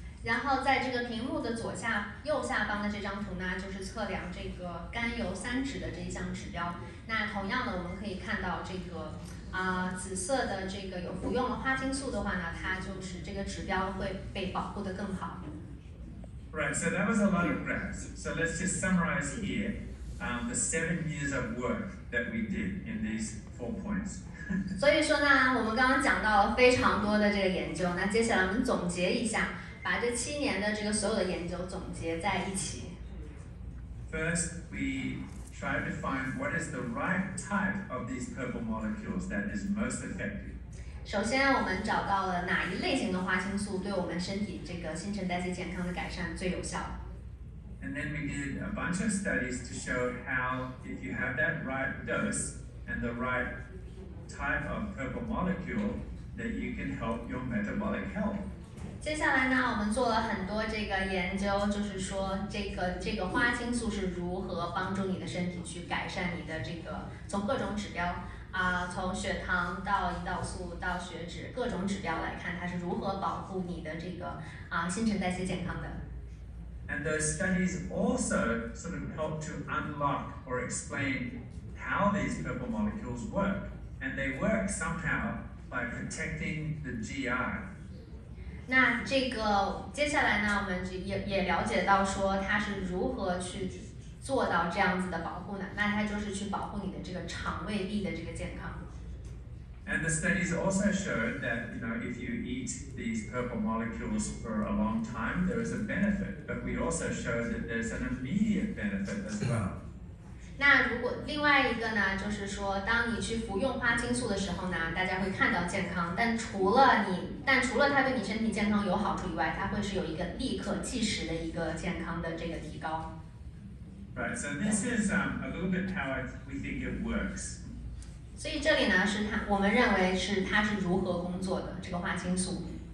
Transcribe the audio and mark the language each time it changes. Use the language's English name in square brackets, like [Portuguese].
[Chinese] 然后在这个屏幕的左下、右下方的这张图呢，就是测量这个甘油三酯的这一项指标。那同样的，我们可以看到这个紫色的这个有服用了花青素的话呢，它就是这个指标会被保护得更好。 [English] Right, so that was a lot of graphs. So let's just summarize here the 7 years of work that we did in these 4 points. [Chinese] 所以说呢，我们刚刚讲到了非常多的这个研究，那接下来我们总结一下，把这7年的这个所有的研究总结在一起。 [English] First, we try to find what is the right type of these purple molecules that is most effective. [Chinese] 首先我们找到了哪一类型的花青素对我们身体这个新陈代谢健康的改善最有效。 [English] And then we did a bunch of studies to show how if you have that right dose and the right type of purple molecule that you can help your metabolic health. [Chinese] 接下来呢，我们做了很多这个研究，就是说这个花青素是如何帮助你的身体去改善你的这个从各种指标从血糖到胰岛素到血脂各种指标来看，它是如何保护你的这个新陈代谢健康的。 [English] And those studies also sort of help to unlock or explain how these purple molecules work, and they work somehow by protecting the GI. [Chinese] 那这个接下来呢，我们也了解到说它是如何去做到这样子的保护呢？那它就是去保护你的这个肠胃壁的这个健康。 [English] And the studies also showed that you know if you eat these purple molecules for a long time, there is a benefit. But we also showed that there's an immediate benefit as well. [Chinese] 那如果另外一个呢，就是说当你去服用花青素的时候呢，大家会看到健康，但除了它对你身体健康有好处以外，它会是有一个立刻即时的一个健康的这个提高。 [English] Right, so this is a little bit how we think it works. [Chinese] 所以这里呢，我们认为是它是如何工作的这个花青素。